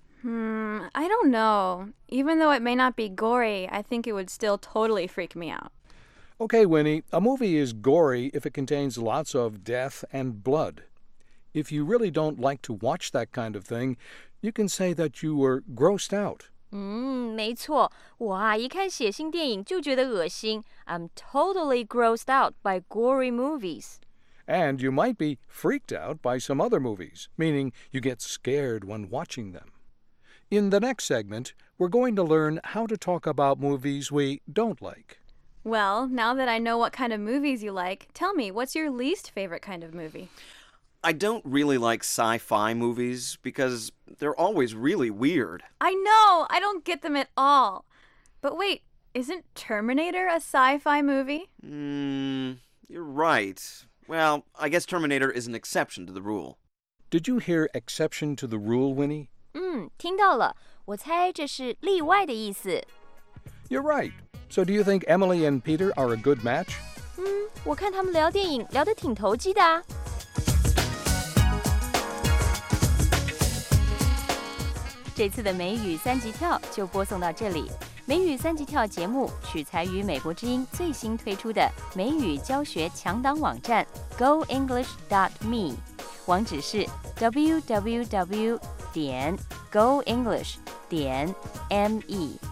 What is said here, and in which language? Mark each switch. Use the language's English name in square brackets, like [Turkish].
[English] I don't know. Even though it may not be gory, I think it would still totally freak me out. Okay, Winnie, a movie is gory if it contains lots of death and blood. If you really don't like to watch that kind of thing, you can say that you were grossed out. [Chinese] 没错，我啊，一看血腥电影就觉得恶心。 [English] I'm totally grossed out by gory movies. And you might be freaked out by some other movies, meaning you get scared when watching them. In the next segment, we're going to learn how to talk about movies we don't like. Well, now that I know what kind of movies you like, tell me, what's your least favorite kind of movie? I don't really like sci-fi movies because they're always really weird. I know! I don't get them at all! But wait, isn't Terminator a sci-fi movie? You're right. Well, I guess Terminator is an exception to the rule. Did you hear exception to the rule, Winnie? [Chinese] 听到了。我猜这是例外的意思。 [English] You're right. So do you think Emily and Peter are a good match? [Chinese] 我看他们聊电影聊得挺投机的啊。这次的美语三级跳就播送到这里。美语三级跳节目取材于美国之音最新推出的美语教学强档网站 goenglish.me， 网址是 www.goenglish.me。